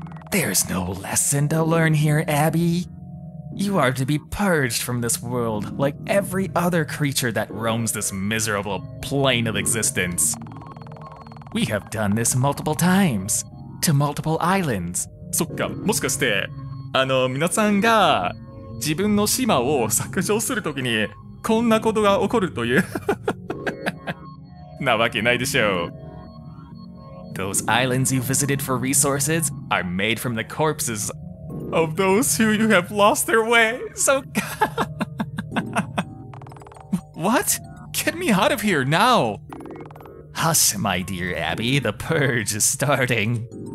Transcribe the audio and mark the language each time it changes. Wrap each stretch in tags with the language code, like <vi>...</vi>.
<en>There's no lesson to learn here, Abby. You are to be purged from this world like every other creature that roams this miserable plane of existence. We have done this multiple times, to multiple islands.</en> <ja>そっか、もしかして、あの、皆さんが自分の島を削除するときにこんなことが起こるという。なわけないでしょう。</ja> <en>Those islands you visited for resources are made from the corpses of those who you have lost their way. So, what? Get me out of here now! Hush, my dear Abby, the purge is starting.</en>